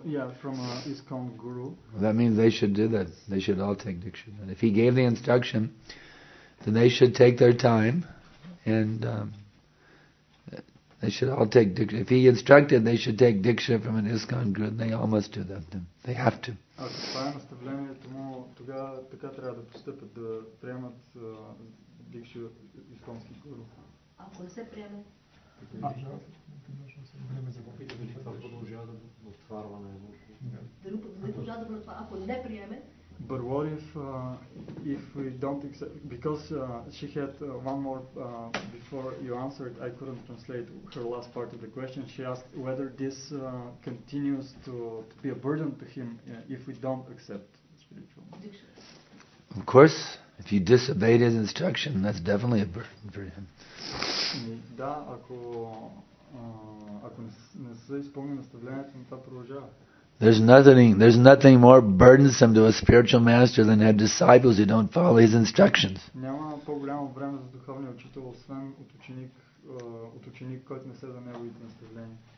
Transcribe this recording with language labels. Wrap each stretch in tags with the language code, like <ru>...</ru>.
<en>Yeah, from an ISKCON guru. Well, that means they should do that. They should all take diksha. And if he gave the instruction, then they should take their time and they should all take diksha. If he instructed, they should take diksha from an ISKCON guru. And they all must do that. They have to.</en> <bg>Ако това е наставлението му, тогава така трябва да постъпят, да приемат диксха от ISKCON-ски гуру. Ако не се приеме?</bg> <en>But what if we don't accept, because she had one more before you answered, I couldn't translate her last part of the question. She asked whether this continues to be a burden to him if we don't accept spiritual. Of course, if you disobeyed his instruction, that's definitely a burden for him.</en> <bg>Да, ако не се изпълни наставлението, това продължава.</bg> <en>There's nothing more burdensome to a spiritual master than have disciples who don't follow his instructions.</en> <bg>Няма по-голямо време за духовния учител, освен от ученик, който не следва неговите наставления.</bg>